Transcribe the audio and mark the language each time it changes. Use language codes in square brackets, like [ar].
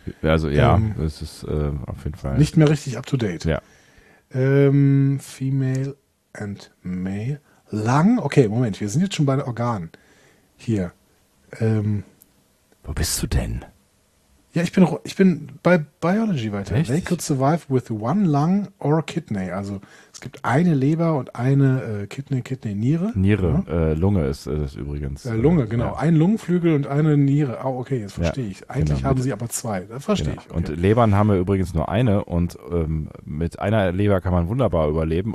[de] Also ja, es ist auf jeden Fall. Nicht mehr richtig up to date. Ja. [en] Female and male. Lang? [de] Okay, Moment, wir sind jetzt schon bei den Organen. Hier. Wo bist du denn? Ja, ich bin bei Biology weiter. Echt? [en] They could survive with one lung or a kidney. [de] Also es gibt eine Leber und eine Kidney-Niere. Niere, ja. Lunge ist es übrigens. Lunge, genau. Ja. Ein Lungenflügel und eine Niere. Oh, okay, jetzt verstehe ich. Eigentlich haben sie aber zwei. Das verstehe ich. Okay. Und Lebern haben wir übrigens nur eine. Und mit einer Leber kann man wunderbar überleben.